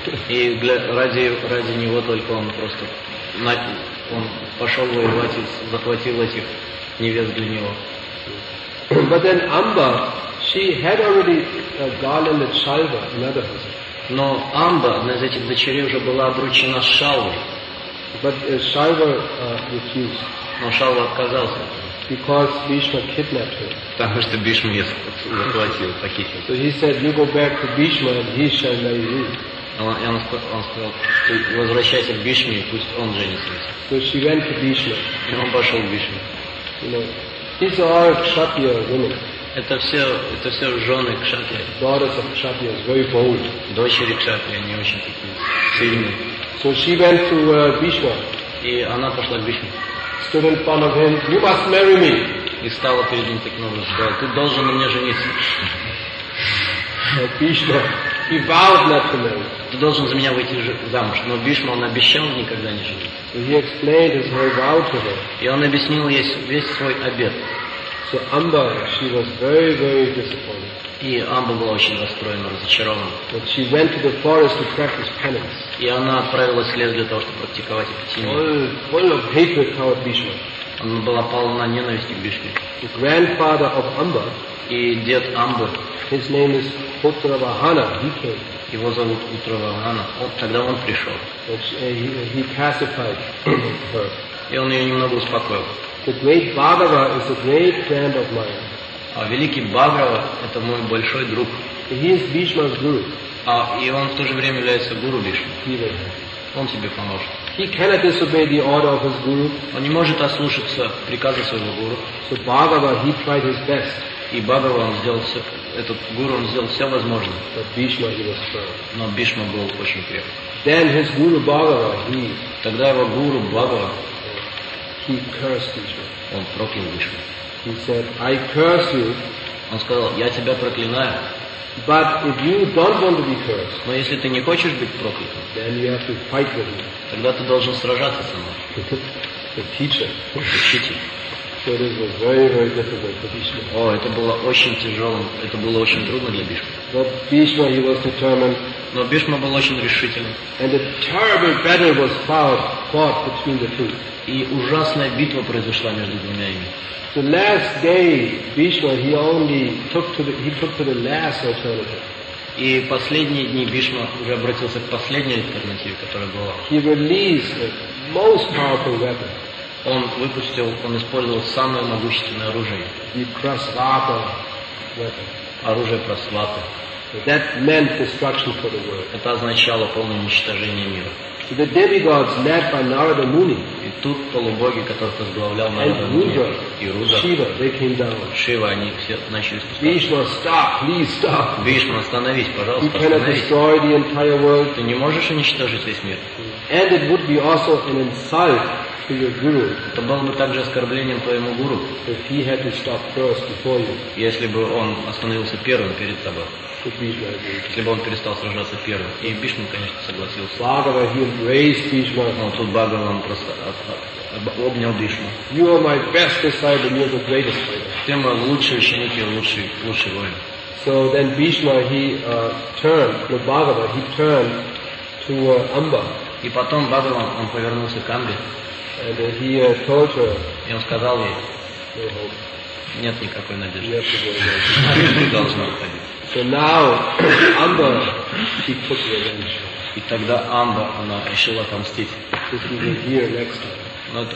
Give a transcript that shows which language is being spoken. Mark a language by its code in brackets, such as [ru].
[ru] И ради него только он просто... Он пошел воевать и захватил этих невест для него. [en] But then Amba, she had already garlanded Shalva, another husband. [ru] Но Амба, одна из этих дочерей, уже была обручена с Шалвой. [en] But Shalva refused. [ru] Но Шалва отказался. [en] Because Bhishma kidnapped her. [ru] Потому что Бишма ее захватил, похитил. [en] So he said, you go back to Bhishma and he shall marry you. [ru] Он сказал, ты возвращайся к Бишме, пусть он женится. [en] So she went to Bhishma. [ru] И он пошел к Бишме. [en] You know, these are Kshatriya women. [ru] Это все жены Кшатрия. [en] Daughters of Kshatriya, very bold. [ru] Дочери Кшатрия, они очень такие сильные. [en] So she went to Bhishma. [ru] И она пошла к Бишме. [en] Stood in front of him, you must marry me. [ru] И стала перед ним таким образом, сказала, ты должен на мне жениться. [en] So Bhishma. He vowed not to marry. [ru] Ты должен за меня выйти замуж. Но Бишма, он обещал никогда не жениться. [en] He explained his whole vow to her. [ru] И он объяснил ей весь свой обет. [en] So Amba, she was very, very disappointed. [ru] И Амба была очень расстроена, разочарована. [en] But she went to the forest to practice penance. [ru] И она отправилась в лес для того, чтобы практиковать эпитимию. [en] Full of hatred toward Bhishma. [ru] Она была полна ненависти к Бишме. [en] The grandfather of Amba. [ru] И дед Амбы. [en] His name is Uttaravahana. He came. [ru] Его зовут Uttaravahana. Вот тогда он пришел. [en] He pacified her. [ru] И он ее немного успокоил. [en] The great Bhagava is a great friend of mine. [ru] А великий Бхагава — это мой большой друг. [en] He is Bhishma's guru. [ru] А и он в то же время является гуру Бишмы. он тебе поможет. [en] He cannot disobey the order of his guru. [ru] Он не может ослушаться приказа своего гуру. [en] So Bhagava, he tried his best. [ru] И Бхагава, он сделал все, этот гуру, он сделал все возможное. [en] But Bhishma, he was firm. [ru] Но Бхишма был очень крепкий. [en] Then his guru Bhagava, he, [ru] тогда его гуру Бхагава, [en] he cursed Bhishma. [ru] Он проклял Бхишму. [en] He said, I curse you. [ru] Он сказал, я тебя проклинаю. [en] But if you don't want to be cursed, [ru] но если ты не хочешь быть проклятым, [en] then you have to fight with me. [ru] Тогда ты должен сражаться со мной. [en] The teacher. [ru] Учитель. [en] So this was very, very difficult for Bhishma. [ru] О, это было очень тяжело. Это было очень трудно для Бхишмы. [en] But Bhishma, he was determined. [ru] Но Бхишма был очень решительным. [en] And a terrible battle was fought between the two. [ru] И ужасная битва произошла между двумя ими. [en] The last day, Bhishma, he only took to the last alternative. [ru] И последние дни Бхишма уже обратился к последней альтернативе, которая была. [en] He released the most powerful weapon. [ru] Он выпустил, он использовал самое могущественное оружие. [en] The prasvata weapon. [ru] Оружие прасвата. [en] That meant destruction for the world. [ru] Это означало полное уничтожение мира. [en] The demigods led by Narada Muni. [ru] И тут полубоги, которых возглавлял Нарада Муни, и Руда, [en] Шива, they came down. [ru] Шива, они все начали спускаться. [en] Bhishma, stop, please stop. [ru] Bhishma, остановись, пожалуйста, [en] you cannot destroy the entire world. [ru] Ты не можешь уничтожить весь мир. [en] And it would be also an insult to your guru. [ru] Это было бы также оскорблением твоему гуру, [en] if he had to stop first before you. Если бы он остановился первым перед тобой. Bhishma, [ru] если бы он перестал сражаться первым. И Бхишма, конечно, согласился. [en] Bhagava, he embraced Bhishma. [ru] Но тут Бхагава просто обнял Бхишму. [en] You are my best disciple, you are the greatest fighter. [ru] Ты мой лучший ученик, лучший воин. [en] So then Bhishma, he turned, the Bhagava, he turned to Amba. [ru] И потом Бхагава, он повернулся к Амбе. [en] And he told her, [ru] и он сказал ей, нет никакой надежды. Ты должна уходить. [en] So now Amba, she took revenge. [ru] И тогда Амба, она решила отомстить. [en] This will be here next time.